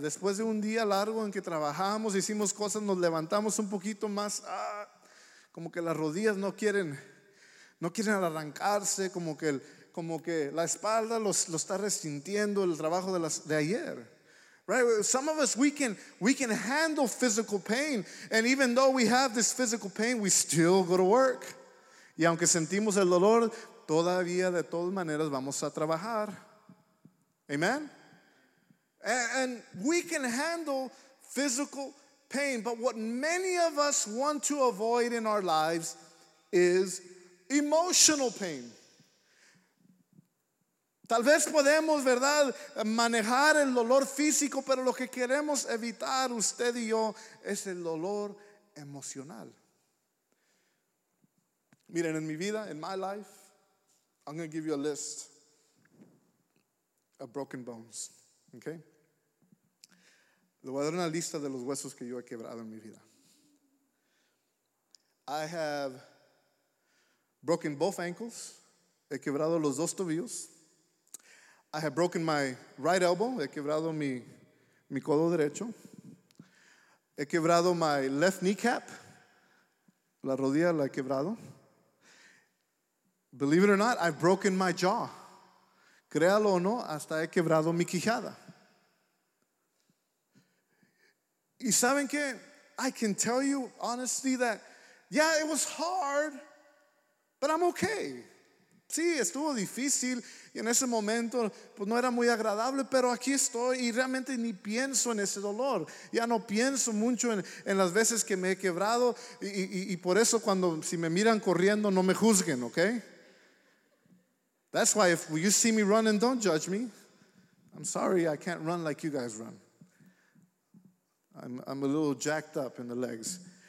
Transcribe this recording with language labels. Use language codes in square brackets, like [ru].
[es] Después de un día largo en que trabajamos, hicimos cosas, nos levantamos un poquito más, como que las rodillas no quieren arrancarse, como que la espalda lo está resintiendo el trabajo de ayer. [en] Right, some of us we can handle physical pain, and even though we have this physical pain, we still go to work. [es] Y aunque sentimos el dolor, todavía de todas maneras vamos a trabajar. Amen. [en] And we can handle physical pain, but what many of us want to avoid in our lives is emotional pain. [es] Tal vez podemos, ¿verdad?, manejar el dolor físico, pero lo que queremos evitar usted y yo es el dolor emocional. Miren, en mi vida, [en] in my life, I'm going to give you a list of broken bones, okay? [es] Le voy a dar una lista de los huesos que yo he quebrado en mi vida. [en] I have broken both ankles, [es] he quebrado los dos tobillos. [en] I have broken my right elbow. [es] He quebrado mi codo derecho. He quebrado [en] my left kneecap. [es] La rodilla la he quebrado. [en] Believe it or not, I've broken my jaw. [es] Créalo o no, hasta he quebrado mi quijada. Y saben qué? [en] I can tell you honestly that, yeah, it was hard, but I'm okay. [es] Sí, estuvo difícil y en ese momento pues no era muy agradable, pero aquí estoy y realmente ni pienso en ese dolor. Ya no pienso mucho en las veces que me he quebrado y por eso cuando si me miran corriendo no me juzguen, ¿ok? [en] That's why if you see me running, don't judge me. I'm sorry, I can't run like you guys run. I'm a little jacked up in the legs.